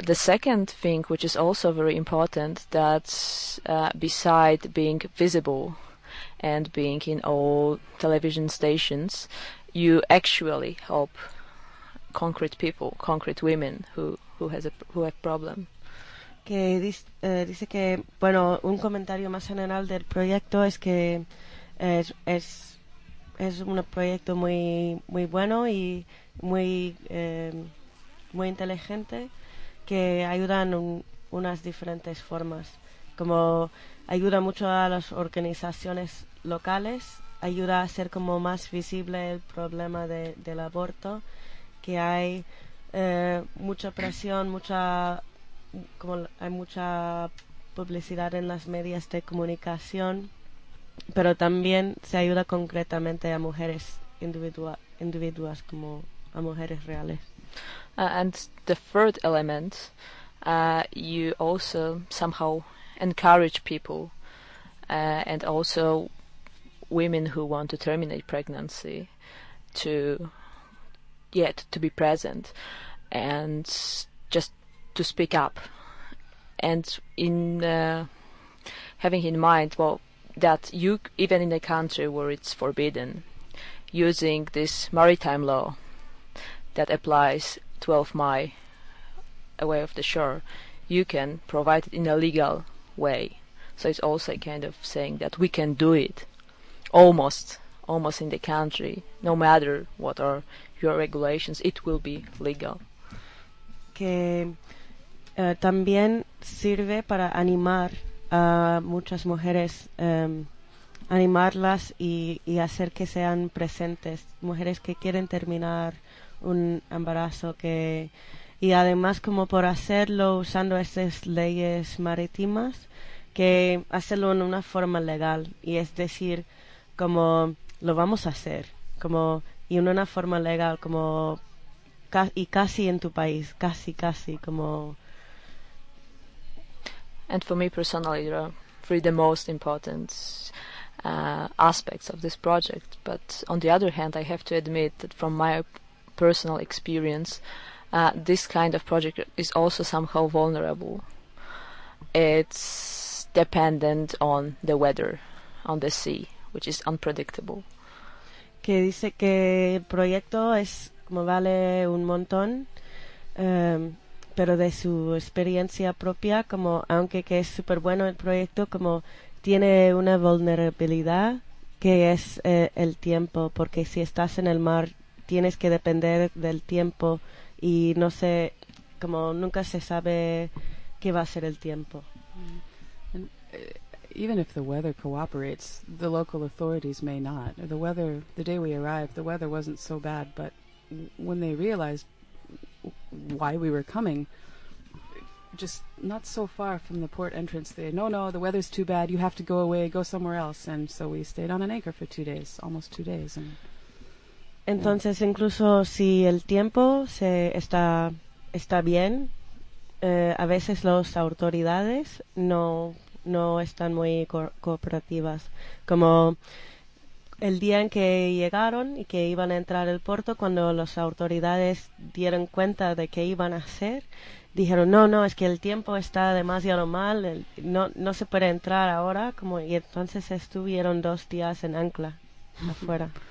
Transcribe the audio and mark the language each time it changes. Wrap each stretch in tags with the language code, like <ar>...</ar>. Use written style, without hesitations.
<en>The second thing, which is also very important, that beside being visible and being in all television stations, you actually help concrete people, concrete women who have problem.</en> <es>Que dice que, bueno, un comentario más general del proyecto es que es un proyecto muy muy bueno y muy muy inteligente, que ayuda en unas diferentes formas, como ayuda mucho a las organizaciones locales, ayuda a hacer como más visible el problema del aborto, que hay mucha presión, como hay mucha publicidad en las medias de comunicación, pero también se ayuda concretamente a mujeres individuas como a mujeres reales.</es> <en>And the third element, you also somehow encourage people and also women who want to terminate pregnancy to be present and just to speak up. And in having in mind, well, that you, even in a country where it's forbidden, using this maritime law that applies 12 miles away of the shore, you can provide it in a legal way. So it's also kind of saying that we can do it almost in the country, no matter what are your regulations, it will be legal.</en> <es>También sirve para animar a muchas mujeres, animarlas y hacer que sean presentes, mujeres que quieren terminar un embarazo, y además como por hacerlo usando esas leyes marítimas, que hacerlo en una forma legal, y es decir, como lo vamos a hacer, como y en una forma legal, como y casi en tu país, casi, como...</es> <en>And for me personally, there are 3 the most important aspects of this project. But on the other hand, I have to admit that from my personal experience, this kind of project is also somehow vulnerable. It's dependent on the weather, on the sea, which is unpredictable.</en> <es>Que dice que el proyecto es como vale un montón. Pero de su experiencia propia, como aunque que es súper bueno el proyecto, como tiene una vulnerabilidad que es el tiempo, porque si estás en el mar tienes que depender del tiempo y no sé, como nunca se sabe qué va a ser el tiempo.</es> <en>And, even if the weather cooperates, the local authorities may not. The weather, the day we arrived, the weather wasn't so bad, but when they realized why we were coming, just not so far from the port entrance, they, no, no, the weather's too bad, you have to go away, go somewhere else. And so we stayed on an anchor for 2 days, almost 2 days. And</en> <es>entonces, yeah. Incluso si el tiempo se está bien, a veces las autoridades no están muy cooperativas. Como el día en que llegaron y que iban a entrar al puerto, cuando las autoridades dieron cuenta de qué iban a hacer, dijeron, no, no, es que el tiempo está demasiado mal, no se puede entrar ahora, como, y entonces estuvieron 2 días en ancla afuera.</es>